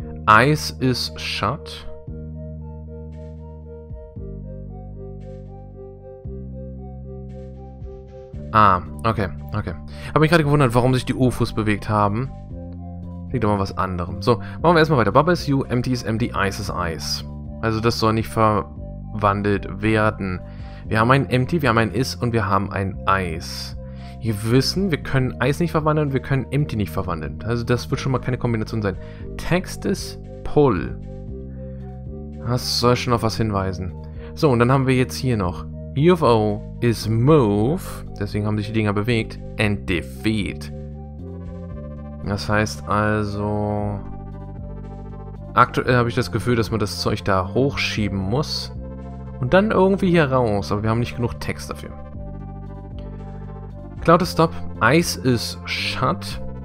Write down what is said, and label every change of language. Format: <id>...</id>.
<en>Ice is shut. Ah, okay, okay.</en> <de>Habe mich gerade gewundert, warum sich die UFOs bewegt haben. Liegt doch mal was anderem. So, machen wir erstmal weiter.</de> <en>Baba is you, empty is empty, ice is ice.</en> <de>Also das soll nicht verwandelt werden. Wir haben ein empty, wir haben ein is und wir haben ein ice. Wir wissen, wir können ice nicht verwandeln, wir können empty nicht verwandeln. Also das wird schon mal keine Kombination sein.</de> <en>Text is pull.</en> <de>Das soll schon auf was hinweisen. So, und dann haben wir jetzt hier noch.</de> <en>UFO is move,</en> <de>deswegen haben sich die Dinger bewegt,</de> <en>and defeat.</en> <de>Das heißt also, aktuell habe ich das Gefühl, dass man das Zeug da hochschieben muss und dann irgendwie hier raus, aber wir haben nicht genug Text dafür.</de> <en>Cloud is stop, ice is shut.</en>